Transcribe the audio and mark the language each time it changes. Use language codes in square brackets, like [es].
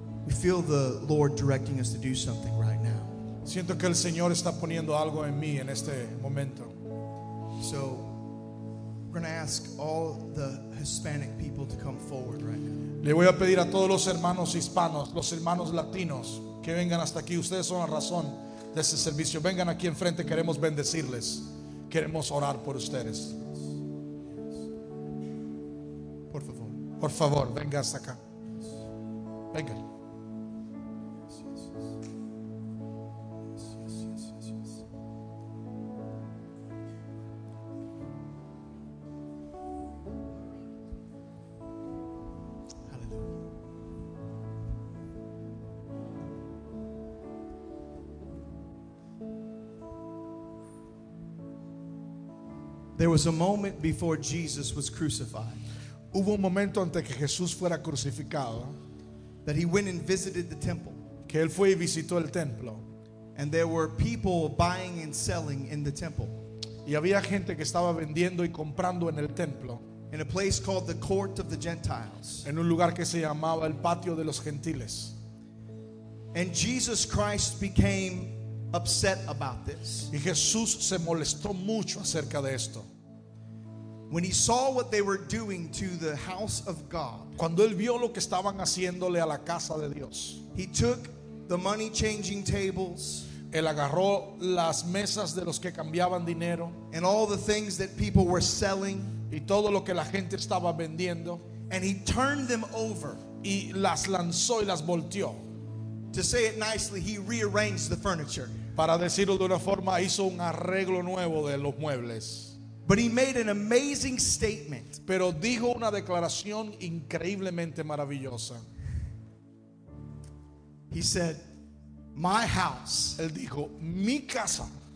[en] Feel the Lord directing us to do something right now. [es] Siento que el Señor está poniendo algo en mí en este momento. [en] So we're going to ask all the Hispanic people to come forward right now. [es] Le voy a pedir a todos los hermanos hispanos, los hermanos latinos, que vengan hasta aquí. Ustedes son la razón de este servicio. Vengan aquí enfrente. Queremos bendecirles. Queremos orar por ustedes. Por favor. Por favor, venga hasta acá. Venga. [en] There was a moment before Jesus was crucified. [es] Hubo un momento antes que Jesús fuera crucificado. [en] That he went and visited the temple. [es] Que él fue y visitó el templo. [en] And there were people buying and selling in the temple. [es] Y había gente que estaba vendiendo y comprando en el templo. [en] in a place called the court of the Gentiles. [es] En un lugar que se llamaba el patio de los gentiles. [en] And Jesus Christ became upset about this. [es] Y Jesús se molestó mucho acerca de esto. [en] When he saw what they were doing to the house of God. [es] Cuando él vio lo que estaban haciéndole a la casa de Dios. [en] He took the money changing tables. [es] Él agarró las mesas de los que cambiaban dinero. [en] And all the things that people were selling. [es] Y todo lo que la gente estaba vendiendo. [en] And he turned them over. [es] Y las lanzó y las volteó. [en] To say it nicely, he rearranged the furniture. [es] Para decirlo de una forma, hizo un arreglo nuevo de los muebles. [en] But he made an amazing statement. [es] Pero dijo una declaración increíblemente maravillosa. [en] He said, "My house," [es] él dijo, "mi casa